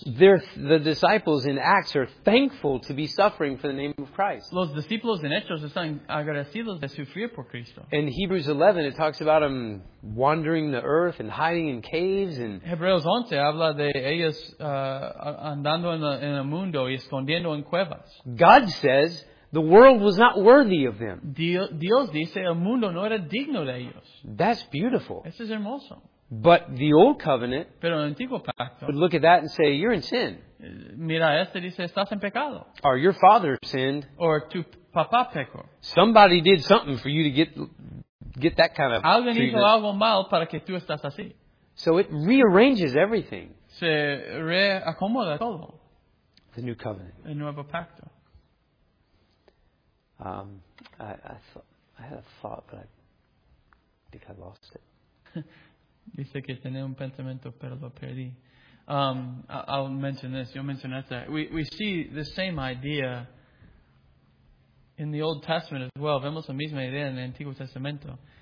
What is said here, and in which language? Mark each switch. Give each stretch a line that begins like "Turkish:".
English: The disciples in Acts are thankful to be suffering for the name of Christ.
Spanish: Los discípulos en Hechos están agradecidos de sufrir por Cristo.
English: In Hebrews 11, it talks about them wandering the earth and hiding in caves. And
Spanish: Hebreos 11 habla de ellos andando en el mundo y escondiendo en cuevas.
English: God says, the world was not worthy of them.
Spanish: Dios dice, el mundo no era digno de ellos.
English: That's beautiful.
Spanish: Eso es hermoso.
English: But the old covenant,
Spanish: pero el antiguo pacto,
English: would look at that and say, you're in sin.
Spanish: Mira, este dice, estás en pecado.
English: Or your father sinned.
Spanish: Or tu papá pecó.
English: Somebody did something for you to get that kind of
Spanish: alguien
English: treatment.
Spanish: Alguien hizo algo mal para que tú estás así.
English: So it rearranges everything.
Spanish: Se reacomoda todo.
English: The new covenant.
Spanish: El nuevo pacto.
English: I had a thought, but I think I lost it.
Spanish: Dice que tenía un pensamiento, pero lo perdí.
English: I'll mention this. You'll mention that. We see the same idea in the Old Testament as well.
Spanish: Vemos la misma idea en el Antiguo Testamento.